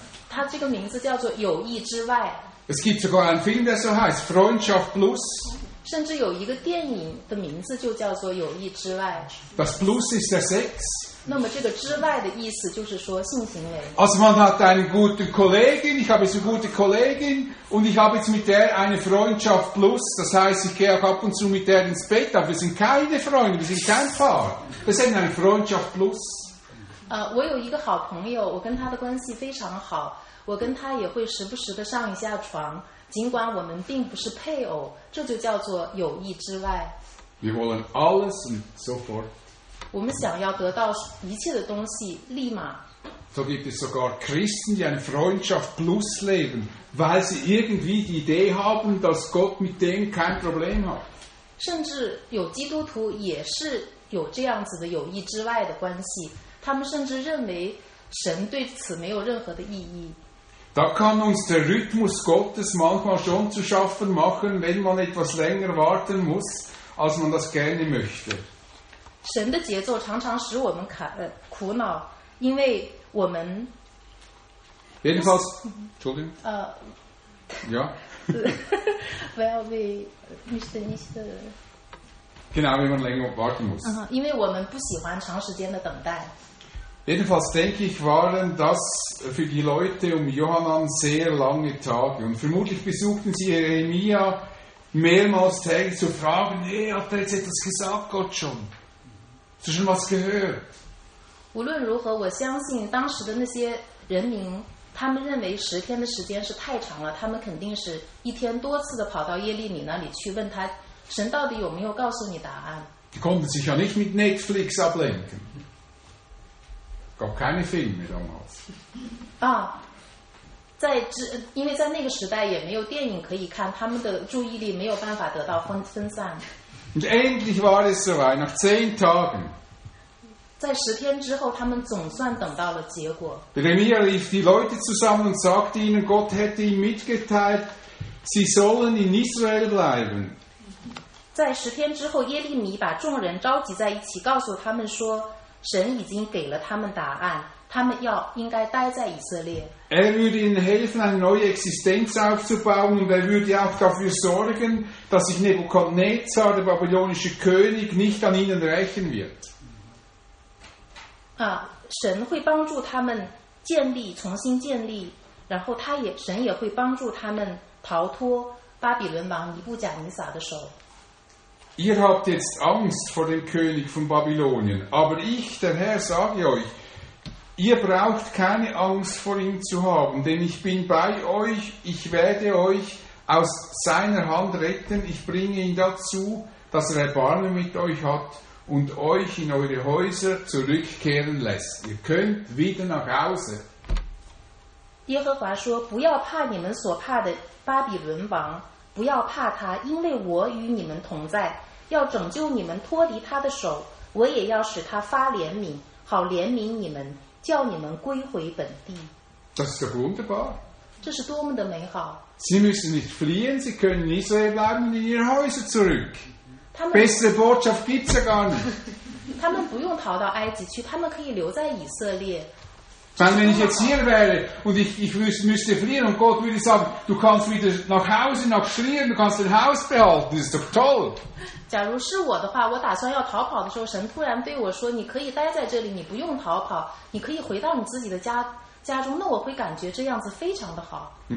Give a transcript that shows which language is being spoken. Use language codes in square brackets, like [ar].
[zh] 它这个名字叫做友谊之外。 [de] Es gibt sogar einen Film, der so heißt Freundschaft plus. [zh] 甚至有一个电影的名字就叫做友谊之外。 [de] Das plus ist der Sex. [zh] 那么这个之外的意思就是说性行为。 [de] Also man hat eine gute Kollegin, ich habe jetzt eine gute Kollegin und ich habe jetzt mit der eine Freundschaft plus. Das heißt, ich gehe auch ab und zu mit der ins Bett, aber wir sind keine Freunde, wir sind kein Paar. Wir sind eine Freundschaft plus. [zh] 我有一个好朋友，我跟他的关系非常好，我跟他也会时不时的上一下床，尽管我们并不是配偶，这就叫做友谊之外。 [de] Wir wollen alles und so fort. [zh] 我们想要得到一切的东西，立马。 [de] So gibt es sogar Christen, die eine Freundschaft plus leben, weil sie irgendwie die Idee haben, dass Gott mit denen kein Problem hat. [zh] 甚至有基督徒也是有这样子的友谊之外的关系，他们甚至认为神对此没有任何的意义。 [de] Da kann uns der Rhythmus Gottes manchmal schon zu schaffen machen, wenn man etwas länger warten muss, als man das gerne möchte. [zh] 神的节奏常常使我们苦恼，因为我们。 [de] Jedenfalls, Entschuldigung. Ja. Weil wir müssen nicht. Genau, wenn man länger warten muss. [zh] 因为我们不喜欢长时间的等待。 [de] Jedenfalls denke ich, waren das für die Leute um Johanan sehr lange Tage und vermutlich besuchten sie Jeremia mehrmals täglich zu fragen: Hey, hat er jetzt etwas gesagt, Gott schon? Das ist was gehört. [zh] 无论如何，我相信当时的那些人民，他们认为十天的时间是太长了，他们肯定是一天多次的跑到耶利米那里去问他，神到底有没有告诉你答案？ [de] Die konnten sich ja nicht mit Netflix ablenken. Gab keine Filme damals. [zh] 因为在那个时代也没有电影可以看，他们的注意力没有办法得到分散。 [de] Und endlich war es soweit, nach 10 Tagen. [zh] 在十天之后，他们总算等到了结果。 [de] Jeremia rief die Leute zusammen und sagte ihnen, Gott hätte ihm mitgeteilt, sie sollen in Israel bleiben. [zh] 在十天之后，耶利米把众人召集在一起，告诉他们说，神已经给了他们答案，他们要应该待在以色列。 [de] Er würde ihnen helfen, eine neue Existenz aufzubauen und er würde auch dafür sorgen, dass sich Nebukadnezar, der babylonische König, nicht an ihnen rächen wird. [zh] 神会帮助他们建立，重新建立，然后神也会帮助他们逃脱巴比伦王尼布甲尼撒的手。 [de] Ihr habt jetzt Angst vor dem König von Babylonien, aber ich, der Herr, sage euch,Ihr braucht keine Angst vor ihm zu haben, denn ich bin bei euch, ich werde euch aus seiner Hand retten, ich bringe ihn dazu, dass er Erbarmen mit euch hat und euch in eure Häuser zurückkehren lässt. Ihr könnt wieder nach Hause. [zh] 耶和华说，不要怕你们所怕的巴比伦王，不要怕他，因为我与你们同在，要拯救你们脱离他的手，我也要使他发怜悯，好怜悯你们。叫你们归回本地。 [de] Das ist doch wunderbar. [zh] 这是多么的美好。 [de] Sie müssen nicht fliehen, sie können in Israel bleiben in ihre Häuser zurück. Bessere Botschaft gibt's ja gar nicht. [zh] 他们不用逃到埃及去，他们可以留在以色列。 [de] Weil wenn ich jetzt hier wäre und ich müsste fliehen und Gott würde sagen, du kannst wieder nach Hause, nach Schlieren, du kannst dein Haus behalten, das ist doch toll. [zh] 假如是我的话，我打算要逃跑的时候，神突然对我说，你可以待在这里，你不用逃跑，你可以回到你自己的家中，那我会感觉这样子非常的好。